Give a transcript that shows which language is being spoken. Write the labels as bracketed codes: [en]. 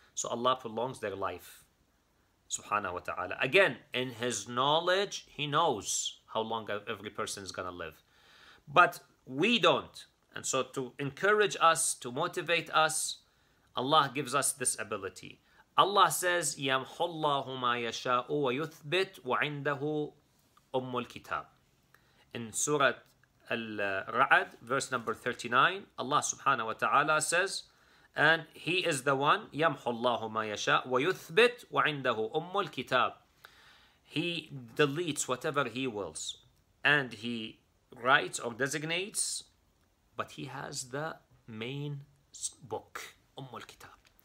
[en] So Allah prolongs their life. Subhanahu wa ta'ala. Again, in His knowledge, He knows how long every person is going to live. But we don't. And so to encourage us, to motivate us, Allah gives us this ability. Allah says, [ar] يَمْحُ اللَّهُ مَا يَشَاءُ وَيُثْبِتُ وَعِنْدَهُ أُمُّ الْكِتَابِ. [en] In Surah Al-Ra'ad, verse number 39, Allah subhanahu wa ta'ala says, and He is the one, [ar] يَمْحُ اللَّهُ مَا يَشَاءُ وَيُثْبِتُ وَعِنْدَهُ أُمُّ الْكِتَابِ. [en] He deletes whatever He wills, and He writes or designates, but He has the main book, أُمُّ الْكِتَابِ.